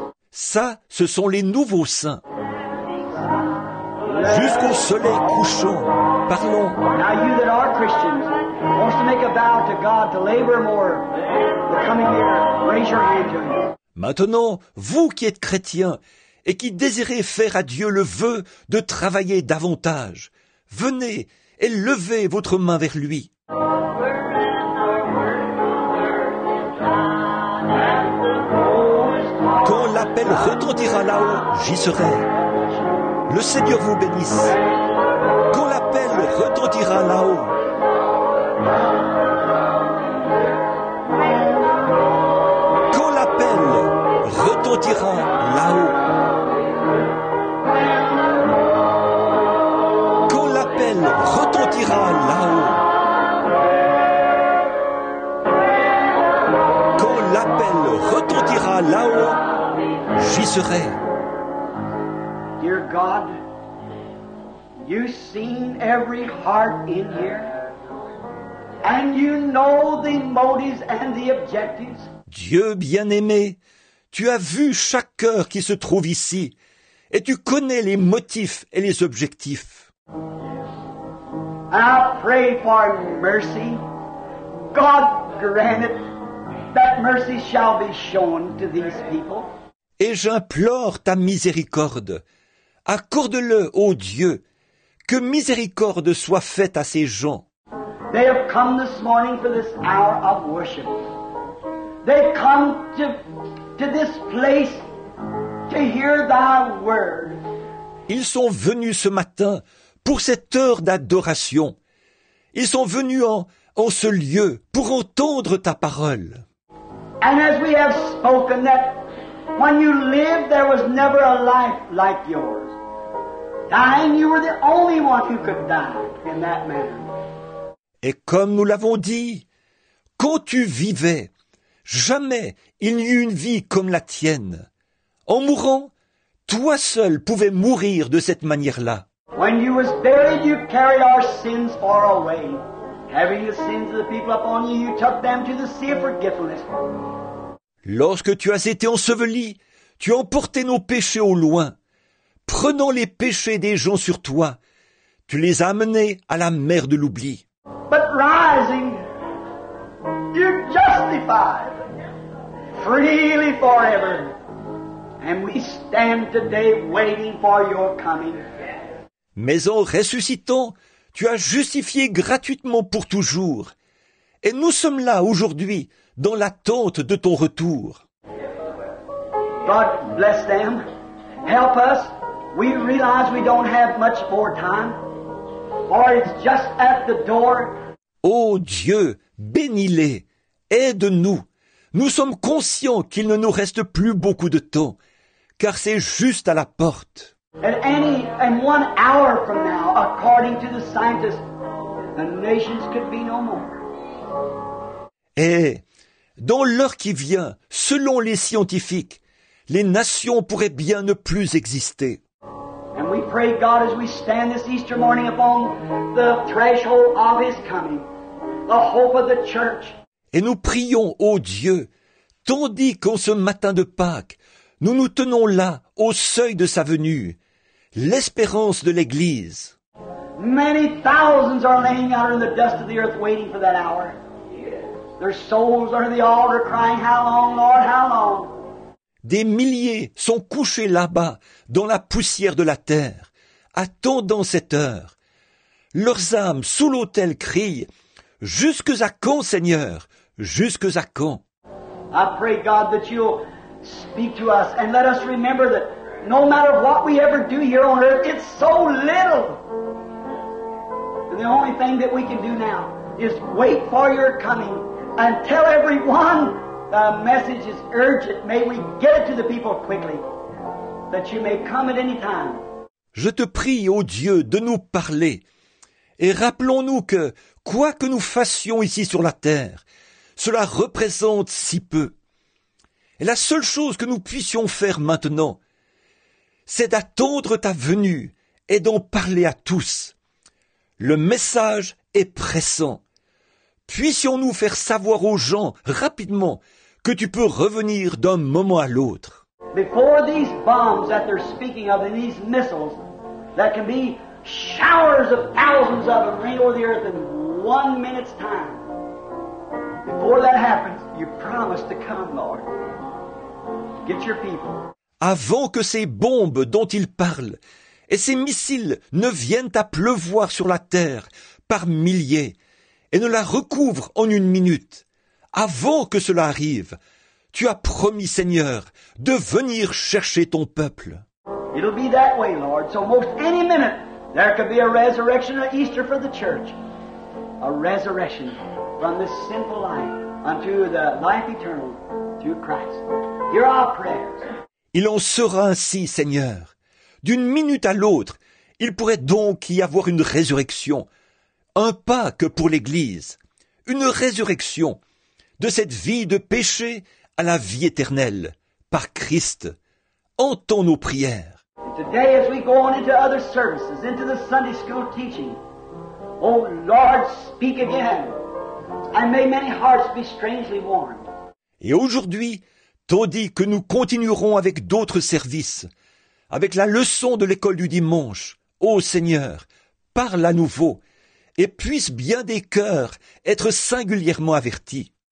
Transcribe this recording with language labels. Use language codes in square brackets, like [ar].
[fr] Ça, ce sont les nouveaux saints. Jusqu'au soleil couchant, parlons. [en] Now you that are Christians, wants to make a vow to God to labor more the coming year. Raise your hand to him. [fr] Maintenant, vous qui êtes chrétiens et qui désirez faire à Dieu le vœu de travailler davantage, venez et levez votre main vers lui. Quand l'appel retentira là-haut, j'y serai. Le Seigneur vous bénisse. Quand l'appel retentira là-haut. Quand l'appel retentira là-haut. Quand l'appel retentira là-haut. Quand l'appel retentira là-haut, j'y serai. [en] Dear God, you seen every heart in here, and you know the motives and the objectives. [fr] Dieu bien-aimé, tu as vu chaque cœur qui se trouve ici, et tu connais les motifs et les objectifs. [en] I pray for mercy. God grant it that mercy shall be shown to these people. [fr] Et j'implore ta miséricorde. Accorde-le, ô Dieu, que miséricorde soit faite à ces gens. [en] They have come this morning for this hour of worship. They come to this place to hear thy word. [fr] Ils sont venus ce matin pour cette heure d'adoration. Ils sont venus en ce lieu pour entendre ta parole. [en] And as we have spoken that When you lived, there was never a life like yours. Dying, you were the only one who could die in that manner. [fr] Et comme nous l'avons dit, quand tu vivais, jamais il n'y eut une vie comme la tienne. En mourant, toi seul pouvais mourir de cette manière-là. [en] When you was buried, you carried our sins far away. Having the sins of the people upon you, you took them to the sea of forgetfulness. [fr] Lorsque tu as été enseveli, tu as emporté nos péchés au loin. Prenant les péchés des gens sur toi, tu les as amenés à la mer de l'oubli. [en] But rising, you're justified freely forever. And we stand today waiting for your coming. [fr] Mais en ressuscitant, tu as justifié gratuitement pour toujours. Et nous sommes là aujourd'hui, dans l'attente de ton retour. [en] God bless them. Help us. We realize we don't have much more time. Or it's just at the door. [fr] Oh Dieu, bénis-les. Aide-nous. Nous sommes conscients qu'il ne nous reste plus beaucoup de temps, car c'est juste à la porte. [en] And 1 hour from now, according to the scientists, the nations could be no more. [fr] Et dans l'heure qui vient, selon les scientifiques, les nations pourraient bien ne plus exister. [en] And we pray God as we stand this Easter morning upon the threshold of His coming, the hope of the church. [fr] Et nous prions, ô Dieu, tandis qu'en ce matin de Pâques, nous nous tenons là, au seuil de sa venue, l'espérance de l'Église. [en] Many thousands are laying out in the dust of the earth waiting for that hour. Their souls are in the altar crying, how long, Lord, how long? [fr] Des milliers sont couchés là-bas, dans la poussière de la terre, attendant cette heure. Leurs âmes sous l'autel crient, jusque à quand, Seigneur? Jusque à quand? [en] I pray, God, that you'll speak to us and let us remember that no matter what we ever do here on earth, it's so little. And the only thing that we can do now is wait for your coming and tell everyone the message is urgent. May we get it to the people quickly, that you may come at any time. [fr] Je te prie, ô Dieu, de nous parler. Et rappelons-nous que quoi que nous fassions ici sur la terre, cela représente si peu. Et la seule chose que nous puissions faire maintenant, c'est d'attendre ta venue et d'en parler à tous. Le message est pressant. Puissions-nous faire savoir aux gens rapidement que tu peux revenir d'un moment à l'autre. [en] Before these bombs that they're speaking of, and these missiles, that can be showers of thousands of them rain over the earth in 1 minute's time. Before that happens, you promise to come, Lord. Get your people. [fr] Avant que ces bombes dont ils parlent et ces missiles ne viennent à pleuvoir sur la terre par milliers et ne la recouvrent en une minute, avant que cela arrive, tu as promis, Seigneur, de venir chercher ton peuple. [en] It'll be that way, Lord. So most any minute, there could be a resurrection or Easter for the church. A resurrection from this sinful life unto the life eternal through Christ. Hear our prayers. [fr] Il en sera ainsi, Seigneur. D'une minute à l'autre, il pourrait donc y avoir une résurrection, un Pâques pour l'Église, une résurrection de cette vie de péché à la vie éternelle, par Christ. Entends nos prières. [en] And today, as we go on into other services, into the Sunday school teaching, O Lord, speak again, and may many hearts be strangely warmed. [fr] Et aujourd'hui, tandis que nous continuerons avec d'autres services, avec la leçon de l'école du dimanche, ô Seigneur, parle à nouveau, et puisse bien des cœurs être singulièrement avertis.